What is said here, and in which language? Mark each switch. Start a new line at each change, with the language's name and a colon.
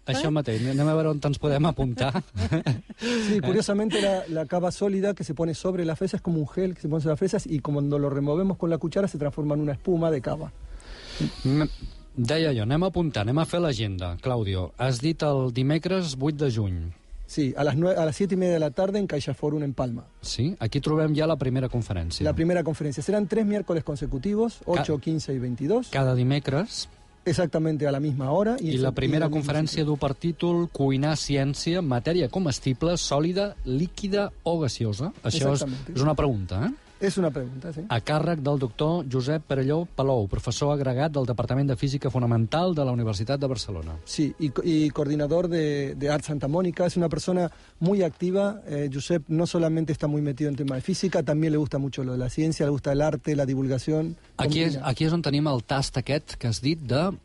Catalan: Això mateix, anem a veure on ens podem apuntar.
Spanish: Sí, curiosamente la cava sólida que se pone sobre la fresa es como un gel que se pone sobre las fresas y cuando lo removemos con la cuchara se transforma en una espuma de cava.
Catalan: Deia jo, anem a apuntar, anem a fer l'agenda, Claudio. Has dit el dimecres 8 de juny.
Spanish: Sí,
Catalan: a les 7
Spanish: y media de la tarde en Caixa Forum en Palma.
Catalan: Sí, aquí trobem ja la primera conferència. La primera conferència.
Spanish: Seran 3 miércoles consecutivos, 8, 15 y 22.
Catalan: Cada dimecres.
Spanish: Exactamente a la misma hora.
Catalan: I la primera conferència du per títol Cuinar ciència, matèria comestible, sòlida, líquida o gaseosa. Això és una pregunta, eh? És una pregunta, sí. A càrrec del doctor Josep Perelló Palou, professor agregat del Departament de Física Fonamental de la Universitat de Barcelona. Sí, i coordinador de Art Santa Mònica. És una persona
Spanish: muy activa. Josep no solamente está muy metido en tema de física, también le gusta mucho lo de la ciencia, le gusta el arte, la divulgación.
Catalan: Aquí és on tenim el tast aquest que has dit de...